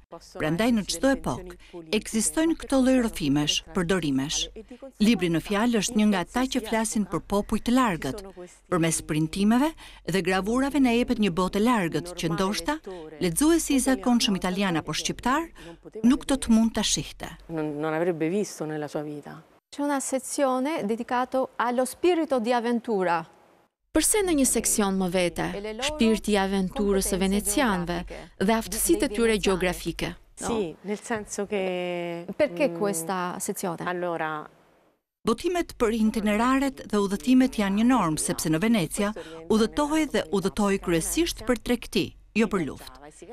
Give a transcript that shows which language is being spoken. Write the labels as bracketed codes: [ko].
[sq] Prandaj në çdo epokë ekzistojnë këto lloj rrëfimesh, përdorimesh. Libri në fjalë është një nga ata që flasin për popuj të largët. Përmes printimeve dhe gravurave na jepet një botë e largët që ndoshta lexuesi i zakonshëm italian apo shqiptar nuk do të mund ta shihte. [it] Non avrebbe visto nella sua vita. C'è una sezione dedicato allo spirito di avventura. [sq] Përse në një seksion më vete, shpirti i aventurës së venecianëve dhe aftësitë e tyre gjeografike? [it] Si, nel senso che perché questa sezione? Allora, [sq] botimet për itineraret dhe udhëtimet janë një normë sepse në Venecia udhëtohej dhe udhëtohej kryesisht për tregti, jo për luftë.